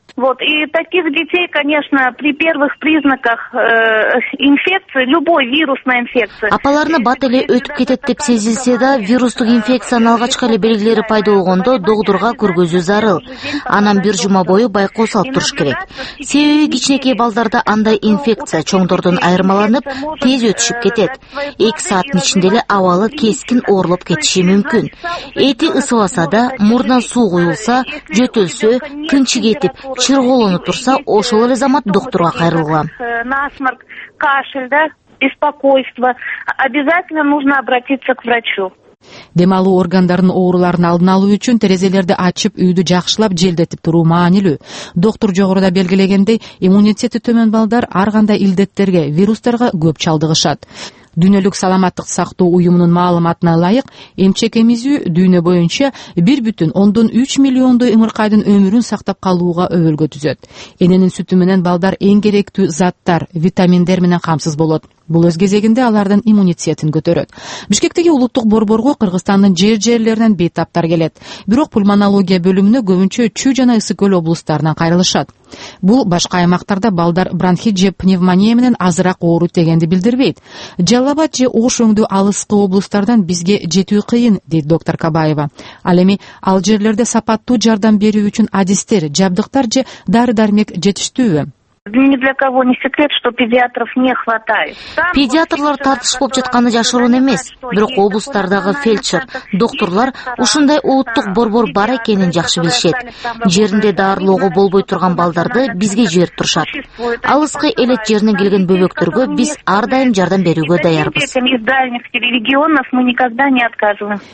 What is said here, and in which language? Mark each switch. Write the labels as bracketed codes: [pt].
[ru] Вот, и таких детей, конечно, при первых признаках инфекции, любой вирусной инфекции. [ky] Апаларына бат эле өтүп кетет деп сезилсе да, вирустук инфекциянын алгачкы эле белгилери пайда болгондо доктурга көргөзүү зарыл. Анан бир жума бою байкоо салып туруш керек. Себеби кичинекей балдарда андай инфекция чоңдордон айырмаланып, тез өтүшүп кетет. 2 сааттын ичинде эле абалы кескин оорулуп кетиши мүмкүн. Эти ысыласа да, мурдан суу куюлса, жөтөлсө, кынчы кетип чырголонуп турса ошол эле замат доктурга кайрылгыла. [ru] Насморк, кашель, да, беспокойство. Обязательно нужно обратиться к врачу. [ky] Дем алуу органдарынын ооруларын алдын алуу үчүн терезелерди ачып, үйдү жакшылап желдетип туруу маанилүү. Доктор жогоруда белгилегендей, иммунитети төмөн балдар ар кандай илдеттерге, вирустарга көп чалдыгышат. Дүйнөлүк саламаттык сактоо уюмунун маалыматына ылайык, эмчек эмизүү дүйнө боюнча 1,3 миллиондой ымыркайдын өмүрүн сактап калууга өбөлгө түзөт. Эненин сүтү менен балдар эң керектүү заттар, витаминдер менен камсыз болот. Бул өз кезегинде алардын иммунитетин көтөрөт. Бишкектеги улуттук борборго Кыргызстандын жер жерлеринен бейтаптар келет. Бирок пульмонология бөлүмүнө көбүнчө Чүй жана Ысык Көл облустарынан кайрылышат. Бул башка аймактарда балдар бронхит же пневмония менен азыраак оору дегенди билдирбейт. Жалал-Абад же Ош өңдүү алыскы облустардан бизге жетүү кыйын, дейт доктор Кабаева. Ал эми ал жерлерде сапаттуу жардам берүү үчүн адистер, жабдыктар же дары-дармек жетиштүүбү? [ru] Ни для кого не секрет, что педиатров не хватает. [ky] Педиатрлар тартыш болуп жатканы жашыруун эмес, бирок облустардагы фельдшер, докторлор ушундай улуттук борбор бар экенин жакшы билишет. Жеринде дарылоого болбой турган балдарды бизге жиберип турушат. Алыскы элет жеринен келген бөбөктөргө биз ар дайым жардам берүүгө даярбыз.